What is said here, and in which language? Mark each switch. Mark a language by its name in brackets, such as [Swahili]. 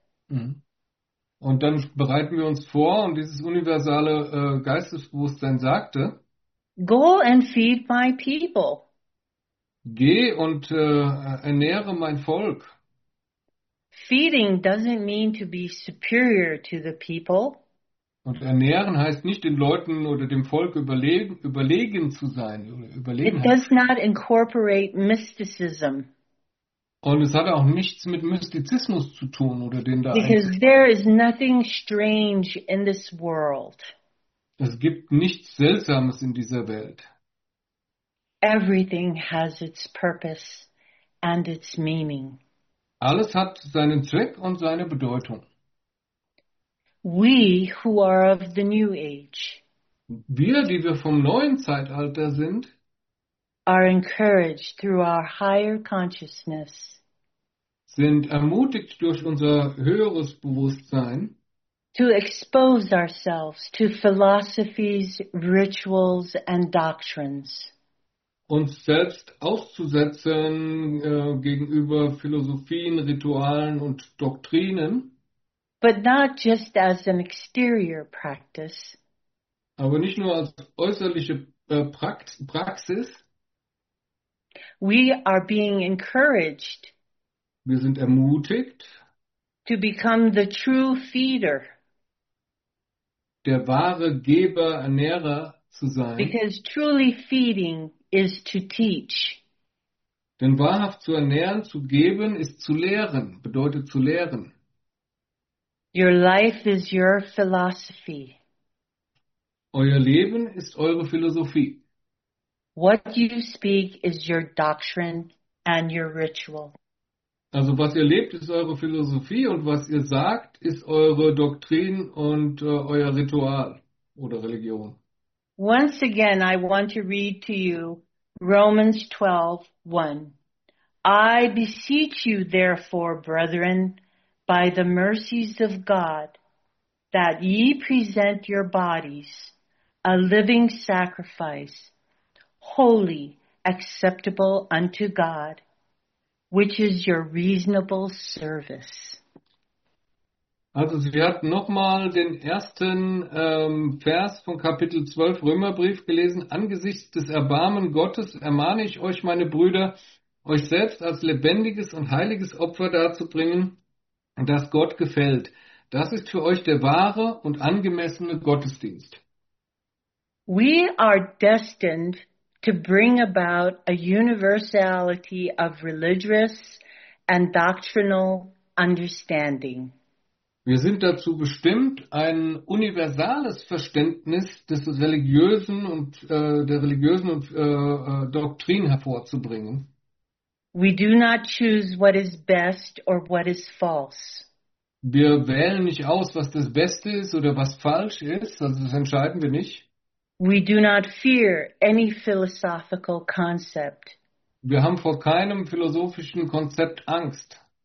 [German] und dann bereiten wir uns vor und dieses universale Geistesbewusstsein sagte, [English] go and feed my people. [German] Geh und ernähre mein Volk. [English] Feeding doesn't mean to be superior to the people. [German] Und ernähren heißt nicht den Leuten oder dem Volk überlegen zu sein. [English] It does not incorporate mysticism. [German] Und es hat auch nichts mit Mystizismus zu tun oder den da. [English] Because there is nothing strange in this world. [German] Es gibt nichts Seltsames in dieser Welt. [English] Everything has its purpose and its meaning. [German] Alles hat seinen Zweck und seine Bedeutung. [English] We who are of the new age, [German] wir, die wir vom neuen Zeitalter sind, [English] are encouraged through our higher consciousness, [German] sind ermutigt durch unser höheres Bewusstsein, [English] to expose ourselves to philosophies, rituals and doctrines, [German] uns selbst auszusetzen gegenüber Philosophien, Ritualen und Doktrinen, [English] but not just as an exterior practice, [German] aber nicht nur als äußerliche Praxis. [English] We are being encouraged, [German] wir sind ermutigt, [English] to become the true feeder, [German] der wahre Geber, Ernährer zu sein, [English] because truly feeding is to teach. [German] Denn wahrhaft zu ernähren, zu geben, ist zu lehren, bedeutet zu lehren. [English] Your life is your philosophy. [German] Euer Leben ist eure Philosophie. [English] What you speak is your doctrine and your ritual. [German] Also was ihr lebt, ist eure Philosophie und was ihr sagt, ist eure Doktrin und euer Ritual oder Religion. [English] Once again, I want to read to you Romans 12, 1. I beseech you, therefore, brethren, by the mercies of God, that ye present your bodies a living sacrifice, holy, acceptable unto God, which is your reasonable service. [German] Also sie hat nochmal den ersten Vers von Kapitel 12 Römerbrief gelesen. Angesichts des Erbarmen Gottes ermahne ich euch, meine Brüder, euch selbst als lebendiges und heiliges Opfer darzubringen, das Gott gefällt. Das ist für euch der wahre und angemessene Gottesdienst. [English] We are destined to bring about a universality of religious and doctrinal understanding. [German] Wir sind dazu bestimmt, ein universales Verständnis des religiösen und der religiösen und, Doktrin hervorzubringen. [English] We do not choose what is best or what is false. [German] Wir wählen nicht aus, was das Beste ist oder was falsch ist, also das entscheiden wir nicht. [English] We do not fear any philosophical concept. [German] Wir haben vor keinem philosophischen Konzept Angst.